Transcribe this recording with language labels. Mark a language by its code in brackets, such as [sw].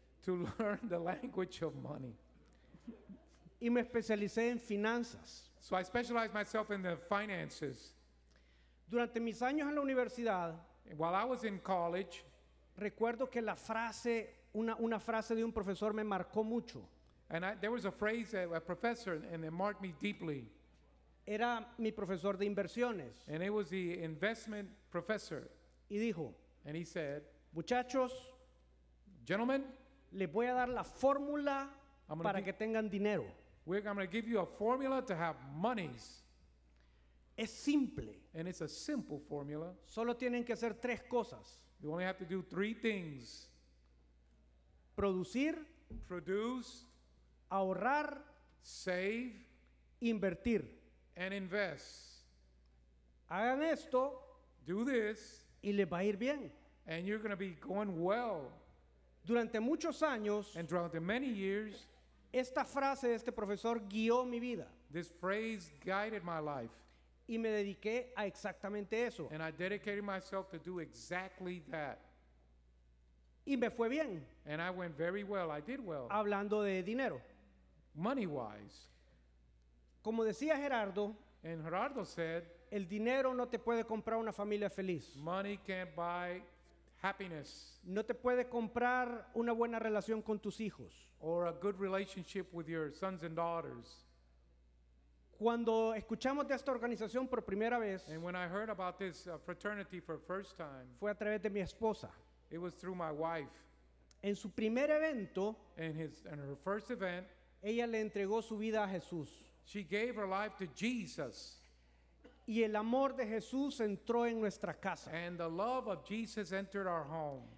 [en] To learn the language of money. [es] Y me especialicé en finanzas. [en] So I specialized myself in the finances. [es] Durante mis años en la universidad. [en] While I was in college. [es] Recuerdo que la frase, una frase de un profesor me marcó mucho. [en] And there was a phrase that a professor, and it marked me deeply. [es] Era mi profesor de inversiones. [en] And it was the investment professor. [es] Y dijo, [en] and he said, [es] muchachos, [en] gentlemen, [es] les voy a dar la fórmula para que tengan dinero. [en] I'm going to give you a formula to have monies. [es] Es simple. [en] And it's a simple formula. [es] Solo tienen que hacer tres cosas. [en] You only have to do three things. [es] Producir. [en] Produce. [es] Ahorrar. [en] Save. [es] Invertir. [en] And invest. [es] Hagan esto. [en] Do this. [es] Y les va a ir bien. [en] And you're going to be going well. [es] Durante muchos años. [en] And throughout the many years. [es] Esta frase de este profesor guió mi vida. [en] This phrase guided my life. [es] Y me dediqué a exactamente eso. [en] And I dedicated myself to do exactly that. [es] Y me fue bien. [en] And I went very well. I did well. [es] Hablando de dinero. [en] Money wise. [es] Como decía Gerardo. [en] And Gerardo said. [es] El dinero no te puede comprar una familia feliz. [en] Money can't buy happiness. [es] No te puede comprar una buena relación con tus hijos. [en] Or a good relationship with your sons and daughters. [es] Cuando escuchamos de esta organización por primera vez. [en] And when I heard about this fraternity for the first time. [es] Fue a través de mi esposa. [en] It was through my wife. [es] En su primer evento. [en] In her first event. [es] Ella le entregó su vida a Jesús. [en] She gave her life to Jesus. [es] Y el amor de Jesús entró en nuestra casa. [en] And the love of Jesus entered our home.